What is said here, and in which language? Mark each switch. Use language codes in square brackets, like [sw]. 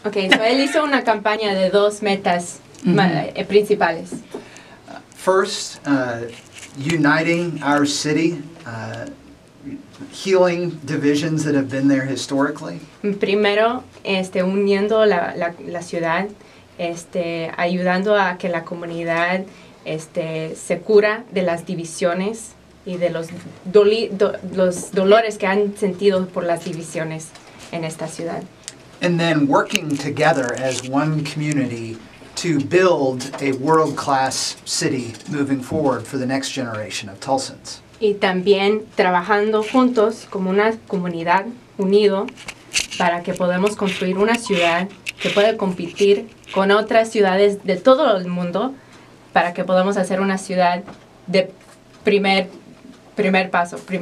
[es] Okay, so él hizo una campaña de dos metas principales. [en] First, uniting our city, healing divisions that have been there historically. [es] Primero, uniendo la ciudad, ayudando a que la comunidad se cura de las divisiones y de los dolores que han sentido por las divisiones en esta ciudad. [en] And then working together as one community to build a world-class city moving forward for the next generation of Tulsans. [es] Y también trabajando juntos como una comunidad unido para que podamos construir una ciudad que puede competir con otras ciudades de todo el mundo para que podamos hacer una ciudad de primer paso.